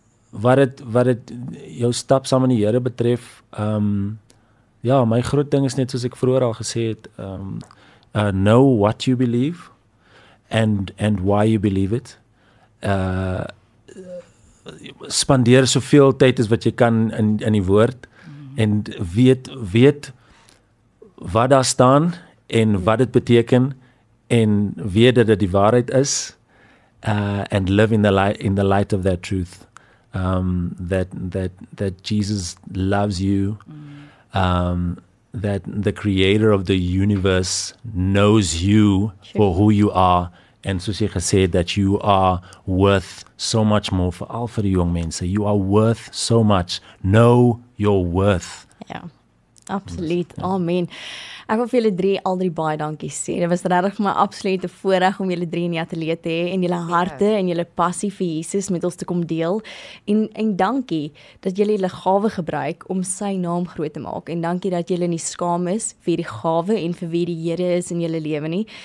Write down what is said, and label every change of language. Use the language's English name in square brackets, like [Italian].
[Afrikaans] Wat het jou stap saam in die Here betref, my groot ding is net soos ek vroeger al gesê het, [English] know what you believe and why you believe it. [Afrikaans] Spandeer soveel tyd as wat jy kan in die woord en weet wat daar staan en wat dit beteken en weet dat dit die waarheid is, [English] and live in the light of that truth, that Jesus loves you, that the creator of the universe knows you for who you are, and [Afrikaans] soos jy gesê, [English] that you are worth so much more, for [Afrikaans] al vir die jong mense, [English] you are worth so much, know your worth. [Afrikaans] Ja, absoluut, amen. Ek wil vir julle drie al drie baie dankie sê, dit was regtig my absolute voorreg om julle drie in die ateljee te hê, en julle harte en julle passie vir Jesus met ons te kom deel, en dankie dat julle julle gawe gebruik om sy naam groot te maak, en dankie dat julle nie skaam is vir die gawe en vir wie die Here is in julle lewe nie.